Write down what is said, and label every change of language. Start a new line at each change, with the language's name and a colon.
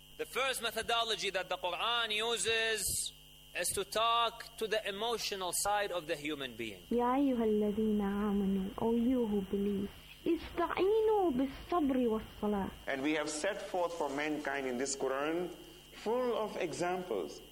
English: First methodology that the Quran uses is to talk to the emotional side of the human being.
Arabic: يا أيها الذين آمنوا,
English: O you who believe,
Arabic: استعينوا بالصبر والصلاة.
English: And we have set forth for mankind in this Quran full of examples.